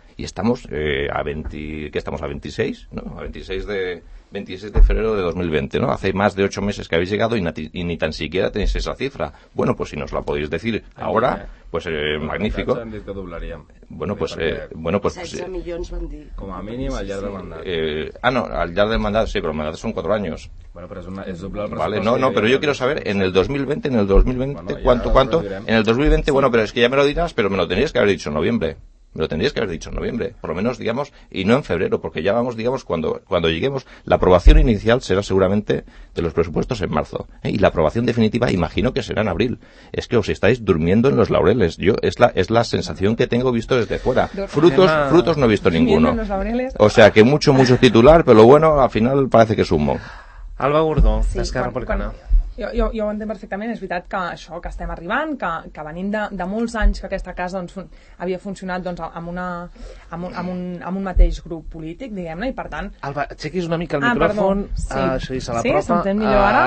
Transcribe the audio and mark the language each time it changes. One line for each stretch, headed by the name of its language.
Spanish: Y estamos a 20, ¿qué estamos? A 26, ¿no? A 26 de febrero de 2020, ¿no? Hace más de 8 meses que habéis llegado y ni tan siquiera tenéis esa cifra. Bueno, pues si nos la podéis decir ahora, pues magnífico. Bueno, pues...
Catalan: 16 millones van dir. Com a mínim, al llarg del mandat. Al llarg del mandat, sí, però el mandat són 4 anys. Bueno, però és doble el pressupost.
Spanish: Vale, no,
Catalan: però jo
Spanish: quiero saber, en el 2020, ¿cuánto? En el 2020, sí. Bueno,
Catalan: però és que ja
Spanish: me lo dirás, però me lo tenéis que haber dicho en noviembre. Me lo tendríais que haber dicho en noviembre, por lo menos, digamos, y no en febrero, porque ya vamos, digamos, cuando lleguemos, la aprobación inicial será seguramente de los presupuestos en marzo, y la aprobación definitiva imagino que será en abril. Es que os estáis durmiendo en los laureles. Yo, es la sensación que tengo visto desde fuera. Frutos no he visto ninguno. O sea, que mucho titular, pero bueno, al final parece que es humo. Alba Gurdó, sí, Esquerra Republicana.
Catalan: Jo ho entenc perfectament, és veritat que això, que estem arribant, que venim de molts anys que aquesta casa doncs, havia funcionat doncs, amb un mateix grup polític, diguem-ne, i per tant... Alba, aixequis una mica el micròfon, sí. Això és a la propa. Sí, s'entén millor ara?